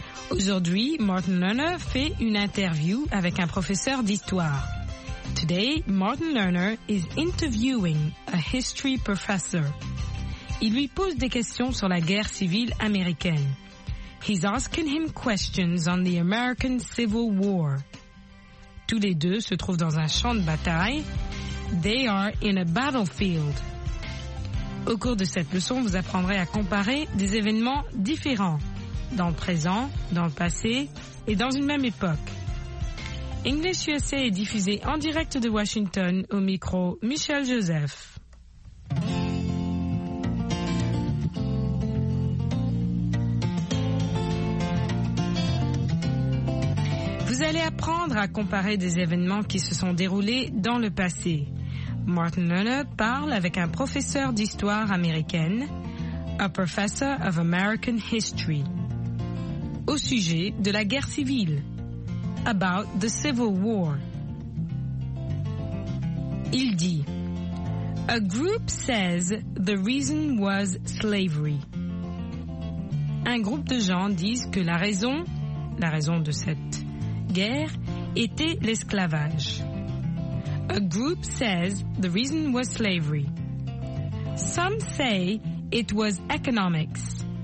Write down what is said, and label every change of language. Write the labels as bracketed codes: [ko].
[fr] Aujourd'hui, Martin Lerner fait une interview avec un professeur d'histoire. [en] Today, Martin Lerner is interviewing a history professor. [fr] Il lui pose des questions sur la guerre civile américaine. [en] He's asking him questions on the American Civil War. [fr] Tous les deux se trouvent dans un champ de bataille. [en] They are in a battlefield. [fr] Au cours de cette leçon, vous apprendrez à comparer des événements différents dans le présent, dans le passé et dans une même époque. English USA est diffusé en direct de Washington au micro Michelle Joseph. Vous allez apprendre à comparer des événements qui se sont déroulés dans le passé. Martin Lerner parle avec un professeur d'histoire américaine, [en] a professor of American history. [fr] Au sujet de la guerre civile. [en] About the Civil War. [fr] Il dit, [en] a group says the reason was slavery. [fr] Un groupe de gens disent que la raison de cette guerre était l'esclavage. [en] A group says the reason was slavery. Some say it was economics.